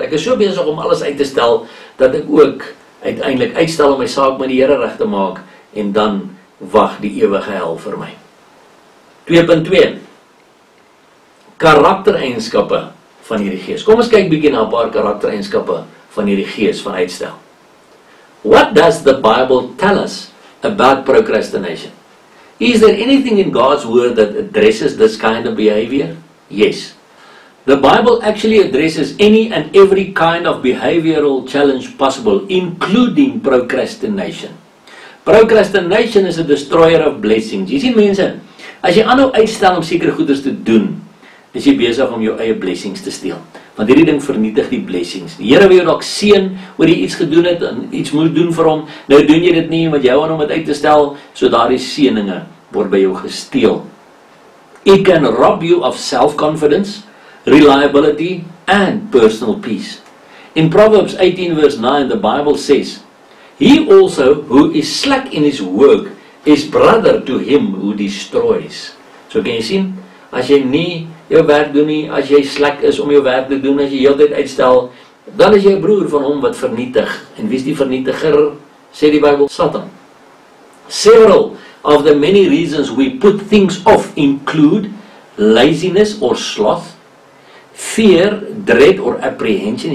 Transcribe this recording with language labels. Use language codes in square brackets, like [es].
[af] Ek is so besig om alles uit te stel, dat ek ook uiteindelik uitstel om my saak met die Here reg te maak, en dan wag die ewige hel vir my. 2.2 Karaktereigenskappe van hierdie gees. Kom ons kyk bietjie na 'n paar karaktereigenskappe van hierdie gees van uitstel. [en] What does the Bible tell us about procrastination? Is there anything in God's word that addresses this kind of behavior? Yes. The Bible actually addresses any and every kind of behavioral challenge possible, including procrastination. Procrastination is a destroyer of blessings. [af] Jy sien mense, as jy aanhou uitstel om sekere goeders te doen, is jy besig om jou eie blessings te steel. Want hierdie ding vernietig die blessings. Die Here wil jou dalk seën oor jy iets gedoen het en iets moet doen vir hom. Nou doen jy dit nie, want jy hou aan om dit uit te stel, so daardie seëninge word by jou gesteel. [en] It can rob you of self-confidence, reliability and personal peace. In Proverbs 18 verse 9, the Bible says, he also who is slack in his work is brother to him who destroys. [af] So kan jy sien, as jy nie jou werk doen nie, as jy slack is om jou werk te doen, as jy heeltyd uitstel, dan is jy broer van hom wat vernietig. En wie is die vernietiger, sê die Bybel, Satan. [en] Several of the many reasons we put things off include laziness or sloth, fear, dread or apprehension.